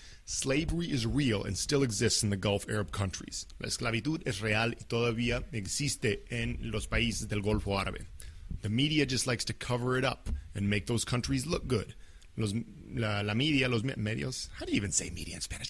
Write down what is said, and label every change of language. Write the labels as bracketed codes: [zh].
[en] Slavery is real and still exists in the Gulf Arab countries. [es] La esclavitud es real y todavía existe en los países del Golfo Árabe. [en] The media just likes to cover it up and make those countries look good. [es] Los medios, [en] how do you even say media in Spanish?